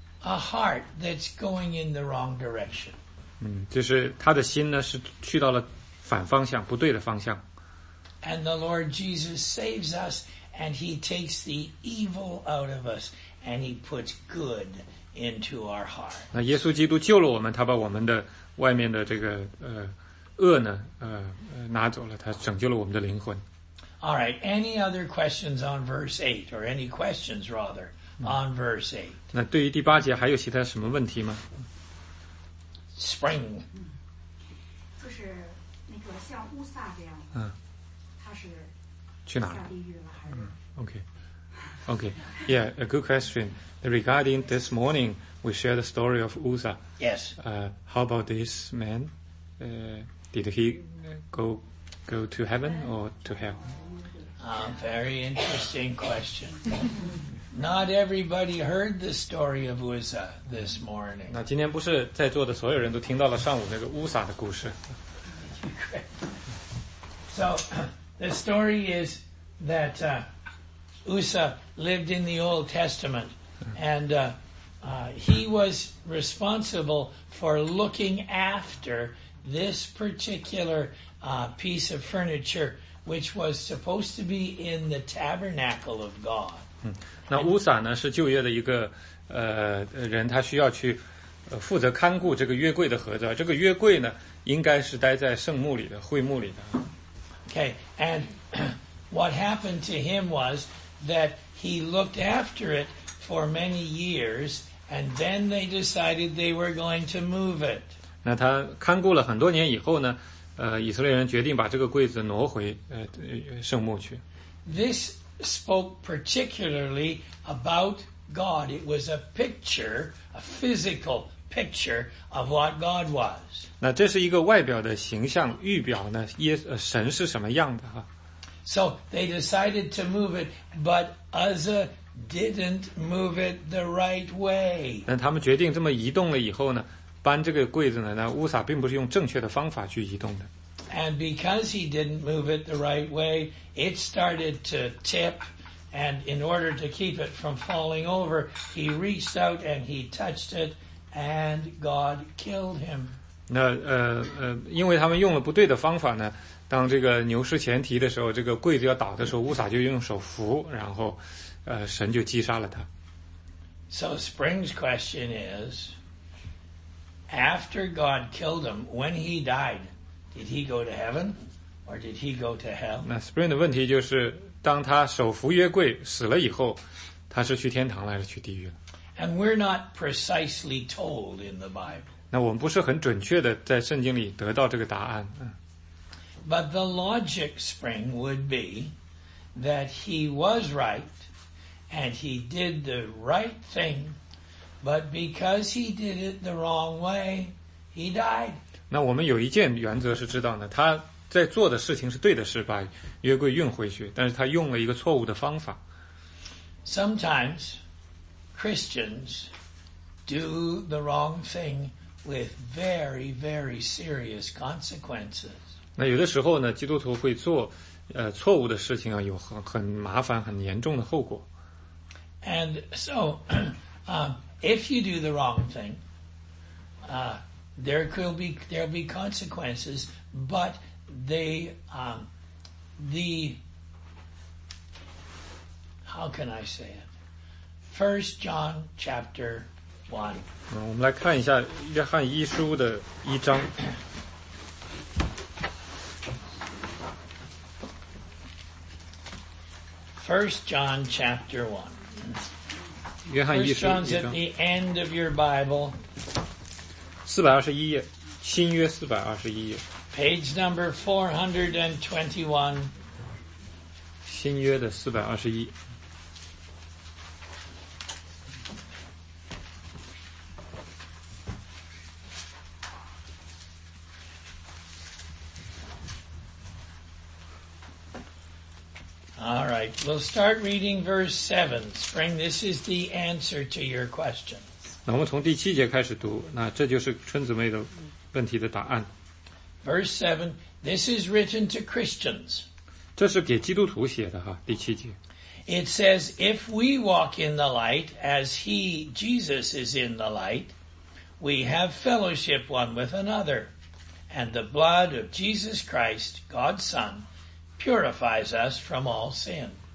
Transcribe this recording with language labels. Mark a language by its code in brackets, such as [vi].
[en] A heart that's going in the wrong direction. [zh] 就是他的心呢是去到了反方向，不对的方向。 [en] And the Lord Jesus saves us, and he takes the evil out of us, and he puts good into our heart. [zh] 那耶稣基督救了我们，他把我们的外面的这个恶呢拿走了，他拯救了我们的灵魂。 [en] All right, any other questions on verse 8, or any questions rather, on verse 8? [zh] 那对于第八节还有其他什么问题吗？ [en] Spring. [zh] 就是像乌萨这样的，他是去哪儿下地狱了还是？ [en] OK。 Okay. Yeah, a good question. Regarding this morning, we shared the story of Uzzah. Yes. How about this man? Did he go to heaven or to hell? Very interesting question. Not everybody heard the story of Uzzah this morning. [zh] 那今天不是在座的所有人都听到了上午那个乌撒的故事。 [en] So, the story is that Uzzah lived in the Old Testament, and he was responsible for looking after this particular piece of furniture, which was supposed to be in the tabernacle of God. [zh] 那乌撒呢是旧约的一个人，他需要去负责看顾这个约柜的盒子，这个约柜呢应该是待在圣幕里的会幕里的。 [en] Okay, and what happened to him was that he looked after it for many years, and then they decided they were going to move it. [zh] 那他看顾了很多年以后呢，以色列人决定把这个柜子挪回圣幕去。 [en] This spoke particularly about God. It was a picture, a physical picture of what God was. [zh] 那这是一个外表的形象，预表呢，神是什么样的哈。 [en] So they decided to move it, but Uzzah didn't move it the right way. [zh] 那他们决定这么移动了以后呢，搬这个柜子呢，那乌撒并不是用正确的方法去移动的。 [en] And because he didn't move it the right way, it started to tip. And in order to keep it from falling over, he reached out and he touched it, and God killed him. [zh] 那因为他们用了不对的方法呢。当这个牛士前提的时候，这个柜子要倒的时候，乌撒就用手扶，然后，神就击杀了他。 [en] So Spring's question is, after God killed him, when he died, did he go to heaven or did he go to hell? [zh] 那 Spring 的问题就是，当他手扶约柜死了以后，他是去天堂了还是去地狱了 [en] ？And we're not precisely told in the Bible. [zh] 那我们不是很准确的在圣经里得到这个答案。 [en] But the logic, Spring, would be that he was right and he did the right thing, but because he did it the wrong way, he died. [zh] 那我们有一件原则是知道呢，他在做的事情是对的事，把约柜运回去，但是他用了一个错误的方法。 [en] Sometimes Christians do the wrong thing with very, very serious consequences. [zh] 那有的时候呢，基督徒会做错误的事情啊，有很麻烦、很严重的后果。 [en] And so, if you do the wrong thing, there'll be consequences, but how can I say it? First John chapter 1. [zh] 我们来看一下约翰一书的一章。 [en] First John chapter 1. [zh] 约翰一书 [en] First John's at the end of your Bible. [zh] 421页，新约421页。 [en] Page number 421. [zh] 新约的421。 [en] All right, we'll start reading verse 7. Spring, this is the answer to your question. [zh] 那我们从第七节开始读，那这就是春子妹的问题的答案。 [en] Verse 7, this is written to Christians. [zh] 这是给基督徒写的哈，第七节。 [en] It says, if we walk in the light as he, Jesus, is in the light, we have fellowship one with another, and the blood of Jesus Christ, God's Son,purifies us from all sin.